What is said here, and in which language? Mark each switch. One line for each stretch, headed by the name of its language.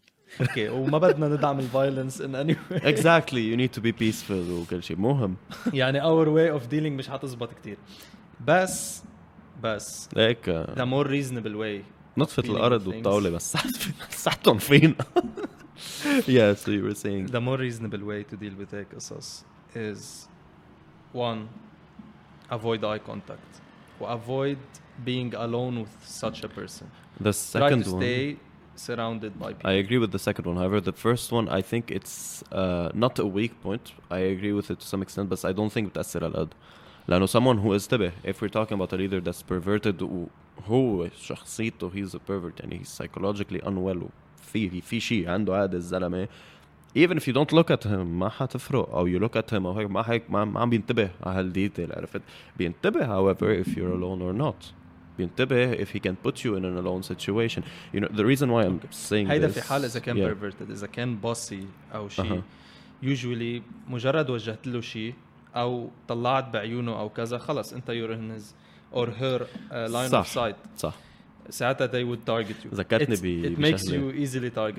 English: Okay,
Arabic: وما بدنا ندعم الفايلنس
English: in any way. Exactly, you need to be peaceful
Arabic: وكل شيء مهم. يعني
English: our way of dealing
Arabic: مش هتزبط كتير. بس. هيك.
English: The more reasonable way.
Arabic: نطفت الأرض والطاولة بس صحتهم فين.
English: Yeah, so you were saying. The more reasonable way to deal with
Arabic: هيك قصص
English: is one, avoid eye contact. Avoid being alone with such a person. The second one. Try to stay surrounded by people. I agree with the second one. However, the first one, I think it's not a weak point. I agree with it to some extent, but I don't think that's it.
Arabic: لأنه
English: someone who is
Arabic: تبه,
English: if we're talking about a leader that's perverted,
Arabic: هو شخصيته,
English: he's a pervert, and he's psychologically unwell.
Arabic: في شيء عنده عادة الزلمة.
English: Even if you don't look at him,
Arabic: ما حتفرق.
English: Or you look at him,
Arabic: ما عم بينتبه على هالديتيل, عرفت.
English: بينتبه, however, if you're alone or not. If he can put you in an alone situation, you know the reason why I'm saying
Arabic: هيدا
English: this.
Arabic: في حال إذا كان perverted, إذا كان bossy أو شيء, usually مجرد وجهت له شيء أو طلعت بعيونه أو كذا, خلاص أنت
English: you're in his or her line
Arabic: صح.
English: of sight.
Arabic: صح.
English: ساعتها they would target you.
Arabic: ذكرتني بشغلة.
English: It makes you easily targeted.